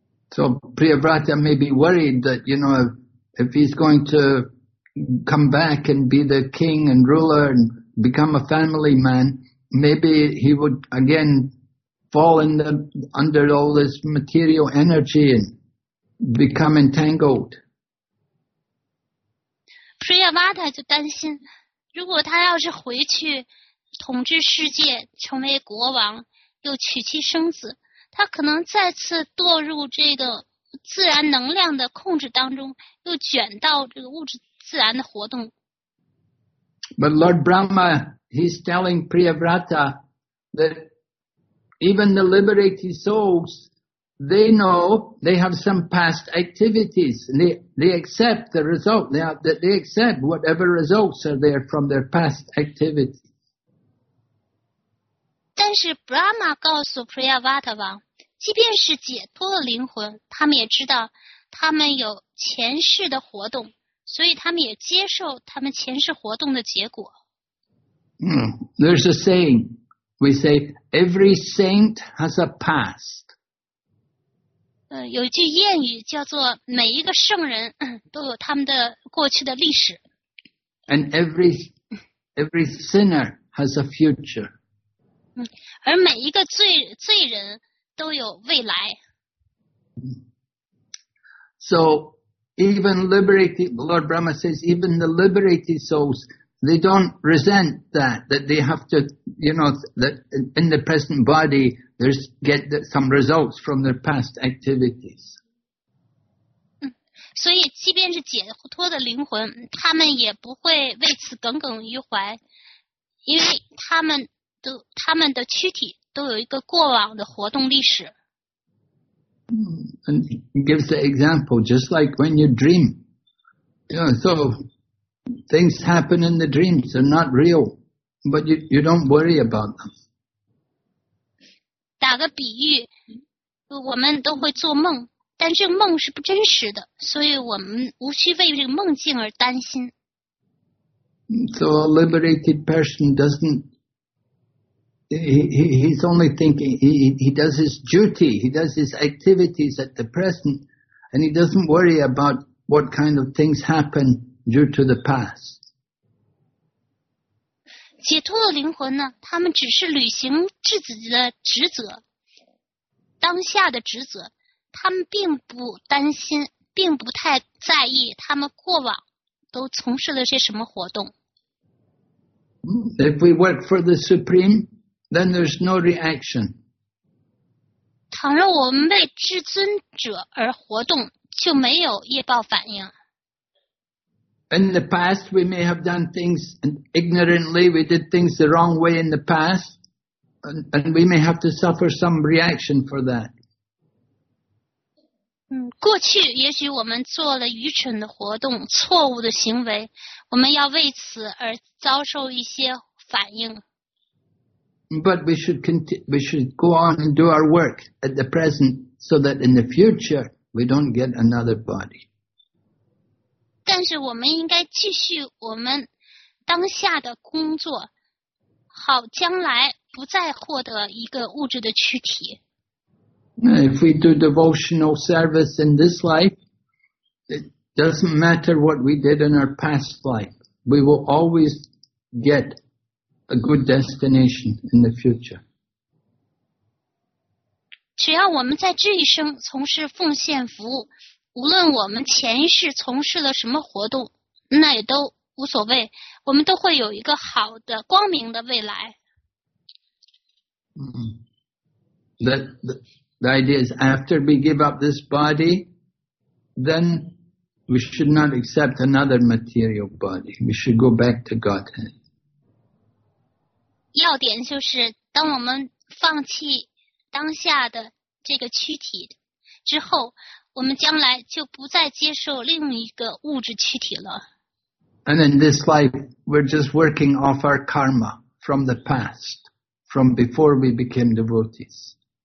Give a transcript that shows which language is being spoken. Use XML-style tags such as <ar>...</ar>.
<en>So Priyavrata may be worried that, you know, if he's going to come back and be the king and ruler and become a family man, maybe he would again fall under all this material energy and become entangled.</en> <zh>Priyavrata 就担心，如果他要是回去统治世界，成为国王，又娶妻生子，他可能再次堕入这个自然能量的控制当中，又卷到这个物质自然的活动。</zh> <en>But Lord Brahma, he's telling Priyavrata that even the liberated souls, they know they have some past activities, and they accept the result. They accept whatever results are there from their past activities.</en> <zh>但是 Brahma 告诉 Priyavrata 王，即便是解脱了灵魂，他们也知道他们有前世的活动，所以他们也接受他们前世活动的结果。</zh> <en>There's a saying, we say, every saint has a past.</en> <zh>有句谚语叫做每一个圣人都有他们的过去的历史。</zh> <en>And every sinner has a future.</en> <zh>而每一个罪人都有未来。</zh> <en>So even liberated, Lord Brahma says, even the liberated souls, they don't resent that they have to, you know, that in the present body, there's get some results from their past activities.</en> <zh>所以即便是解脱的灵魂，他们也不会为此耿耿于怀，因为他们的躯体都有一个过往的活动历史。</zh> <en>And gives the example, just like when you dream. Yeah, so things happen in the dreams, they're not real, but you don't worry about them.</en> <zh>打个比喻，我们都会做梦，但这个梦是不真实的，所以我们无需为这个梦境而担心。</zh> <en>So a liberated person doesn't, he's only thinking, he does his duty, he does his activities at the present, and he doesn't worry about what kind of things happen due to the past.</en> <zh>解脱的灵魂呢，他们只是履行自己的职责，当下的职责。他们并不担心，并不太在意他们过往都从事了些什么活动。</zh> <en>If we work for the Supreme, then there's no reaction.</en> <zh>倘若我们为至尊者而活动，就没有业报反应。</zh> <en>In the past, we may have done things ignorantly, we did things the wrong way in the past, and we may have to suffer some reaction for that.</en> <zh>过去也许我们做了愚蠢的活动，错误的行为，我们要为此而遭受一些反应。</zh> <en>But we should go on and do our work at the present so that in the future we don't get another body.</en> <zh>但是我们应该继续我们当下的工作，好将来不再获得一个物质的躯体。</zh> <en>If we do devotional service in this life, it doesn't matter what we did in our past life. We will always get a good destination in the future.</en> <zh>只要我们在这一生从事奉献服务，无论我们前一世从事了什么活动，那也都无所谓，我们都会有一个好的、光明的未来。</zh> <en>The idea is after we give up this body, then we should not accept another material body. We should go back to Godhead.</en> <zh>要点就是当我们放弃当下的这个躯体之后，我们将来就不再接受另一个物质躯体了。</zh> <en>And in this life, we're just working off our karma from the past, from before we became devotees.</en>